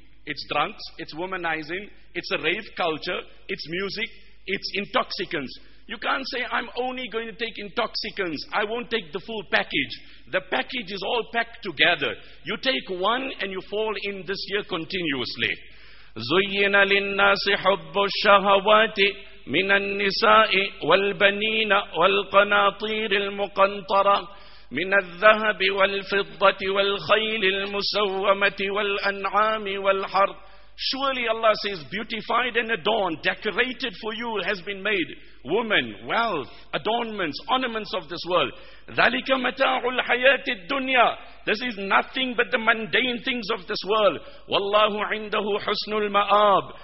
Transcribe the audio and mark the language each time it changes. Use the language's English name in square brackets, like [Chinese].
[English] It's drugs, it's womanizing, it's a rave culture, it's music, it's intoxicants. You can't say, "I'm only going to take intoxicants. I won't take the full package." The package is all packed together. You take one and you fall in this year continuously. [Arabic] زين للناس حب الشهوات من النساء والبنين والقناطير المقنطرة من الذهب والفضة والخيل المسومة والأنعام والحرث. [English] Surely Allah says, beautified and adorned, decorated for you has been made. Woman, wealth, adornments, ornaments of this world. [Arabic] ذَلِكَ مَتَاعُ الْحَيَاةِ الدُّنْيَا. [English] This is nothing but the mundane things of this world. [Arabic] وَاللَّهُ عِنْدَهُ حُسْنُ الْمَآبِ.